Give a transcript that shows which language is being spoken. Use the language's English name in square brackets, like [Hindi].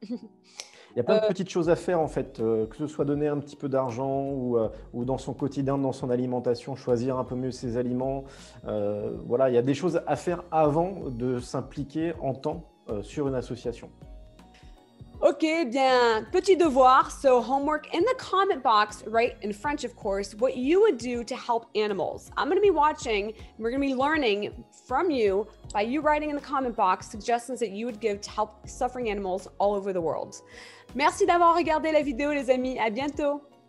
[French] Il y a plein de petites choses à faire, en fait, que ce soit donner un petit peu d'argent ou dans son quotidien, dans son alimentation, choisir un peu mieux ses aliments. Voilà, il y a des choses à faire avant de s'impliquer en temps sur une association. Ok, bien, petit devoir. [English] So, homework in the comment box, right in French, of course, what you would do to help animals. I'm going to be watching, we're going to be learning from you by you writing in the comment box suggestions that you would give to help suffering animals all over the world. [French] Merci d'avoir regardé la vidéo, les amis. À bientôt.